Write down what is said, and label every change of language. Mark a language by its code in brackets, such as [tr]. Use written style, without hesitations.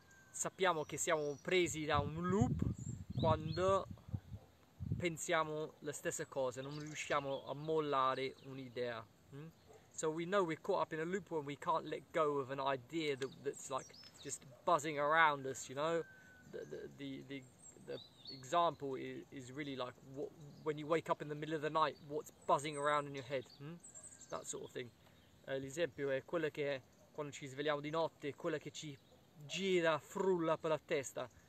[it] Sappiamo che siamo presi da un loop quando pensiamo la stessa cosa, non riusciamo a mollare un'idea. [en] So we know we're caught up in a loop when we can't let go of an idea that's like just buzzing around us, you know. The example is really like when you wake up in the middle of the night, what's buzzing around in your head. that sort of thing. [it] L'esempio è quella che quando ci svegliamo di notte, quella che ci gira, frulla per la testa.